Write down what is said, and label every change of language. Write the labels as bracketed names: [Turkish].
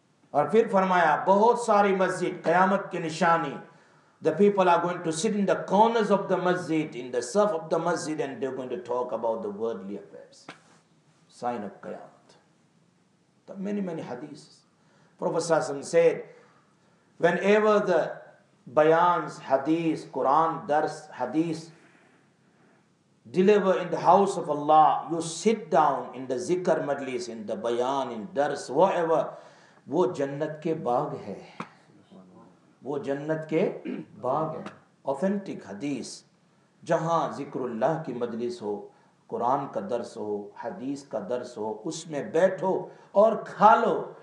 [Urdu] اور پھر فرمایا بہت ساری مسجد قیامت کی نشانی, [English] The people are going to sit in the corners of the masjid, in the surf of the masjid, and they're going to talk about the worldly affairs. Sign of Qiyamah. There are many, many hadiths. Prophet ﷺ said, whenever the bayans, hadith, Quran, dars, hadith, deliver in the house of Allah, you sit down in the zikr majlis, in the bayan, in dars, whatever, [Urdu] wo jannat ke baag hai. وہ جنت کے باغ ہیں. Authentic حدیث, جہاں ذکر اللہ کی مجلس ہو, قرآن کا درس ہو, حدیث کا درس ہو, اس میں بیٹھو اور کھا لو.